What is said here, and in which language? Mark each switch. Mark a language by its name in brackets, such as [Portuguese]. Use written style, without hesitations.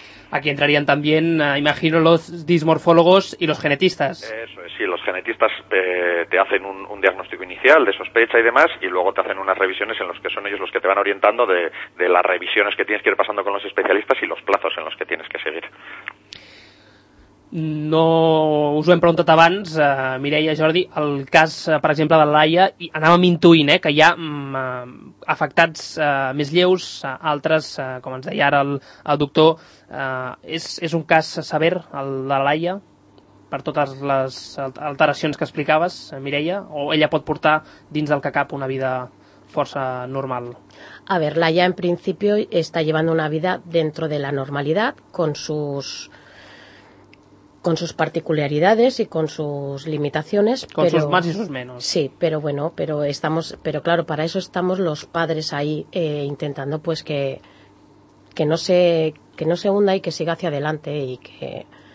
[Spanish] Aquí entrarían también, imagino, los dismorfólogos y los genetistas. Eso es, sí, los genetistas te hacen un diagnóstico inicial de sospecha y demás, y luego te hacen unas revisiones en los que son ellos los que te van orientando de las revisiones que tienes que ir pasando con los especialistas y los plazos en los que tienes que seguir. [Catalan] No us ho hem preguntat abans, Mireia, Jordi, el cas, per exemple, de Laia, i anàvem intuint que hi ha afectats més lleus, altres, com ens deia ara el doctor, és un cas sever, el de Laia, per totes les alteracions que explicaves, Mireia, o ella pot portar dins del que cap una vida força normal? [Spanish] A ver, Laia, en principio, está llevando una vida dentro de la normalidad, con sus particularidades y con sus limitaciones. Con sus más y sus menos. Sí, pero bueno, pero claro, para eso estamos los padres ahí intentando pues que no se hunda y que siga hacia adelante y que...